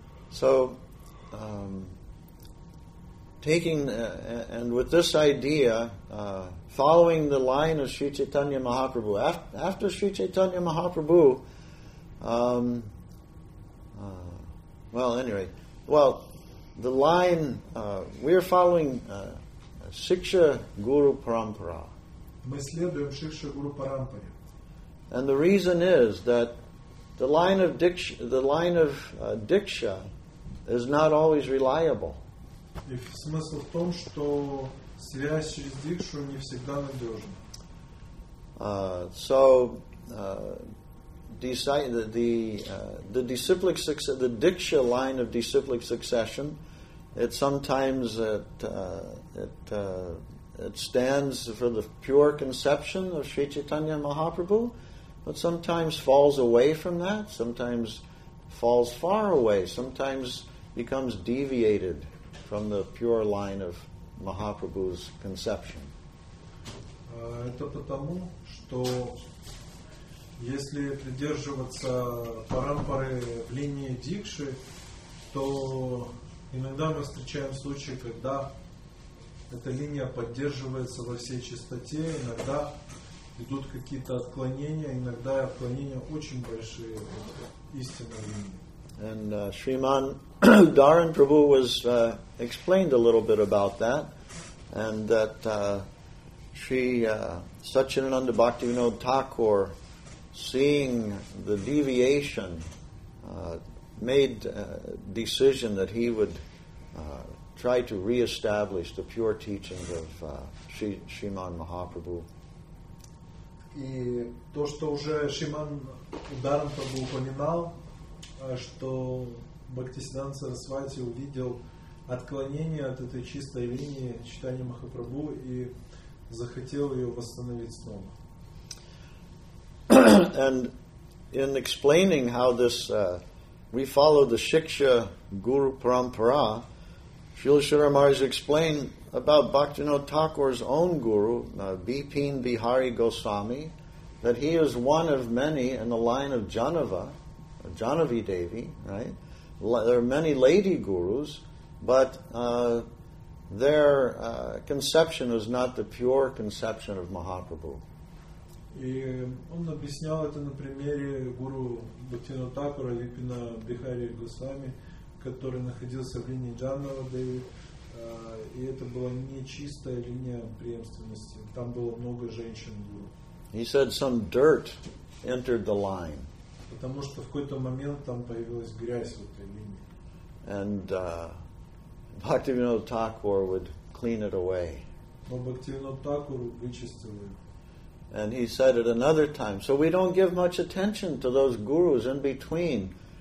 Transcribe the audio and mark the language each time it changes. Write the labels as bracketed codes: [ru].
[en] So and with this idea, following the line of Sri Chaitanya Mahaprabhu, after Sri Chaitanya Mahaprabhu, the line, we are following Shiksha Guru Parampara. [ru] Мы следуем Shiksha Guru Parampara. [en] And the reason is that the line of Diksha is not always reliable. [ru] И смысл в том, что связь через дикшу не всегда надежна. [en] The diksha line of disciplic succession it sometimes it stands for the pure conception of Sri Chaitanya Mahaprabhu, but sometimes falls away from that, sometimes falls far away, sometimes becomes deviated from the pure line of Mahaprabhu's conception. [ru] Это потому, что если придерживаться парампары в линии дикши, то иногда мы встречаем случаи, когда эта линия поддерживается во всей чистоте, иногда идут какие-то отклонения, иногда отклонения очень большие истинной линии. [en] And Sriman Dharan Prabhu was explained a little bit about that, and that Sri Satchinananda Bhaktivinoda Thakur, seeing the deviation, made a decision that he would try to reestablish the pure teachings of Sriman Mahaprabhu. [ru] И то, что уже Шриман Дарам Прабху упоминал, что Бхактисиддханта Сарасвати увидел отклонение от этой чистой линии читания Махапрабху и захотел ее восстановить снова. [en] And in explaining how this we follow the Shiksha Guru Parampara, Srila Śrīla Mahārāja explained about Bhaktivinoda Thakur's own guru, Bipin Bihari Goswami, that he is one of many in the line of Janava, Janavi Devi, right? There are many lady gurus, but their conception is not the pure conception of Mahaprabhu. [ru] И он объяснял это на примере гуру Бхактивинода Такура, Бипина Бихари Госвами, который находился в линии Джанава Деви, и это была не чистая линия преемственности. Там было много женщин гуру. [en] He said some dirt entered the line. [ru] Потому что в какой-то момент там появилась грязь в этой линии. [en] And Bhaktivinoda Thakur would clean it away. [ru] Но Бхактивинода Такур вычистил ее. [en] And he said it another time. So we don't give much attention to those gurus in between.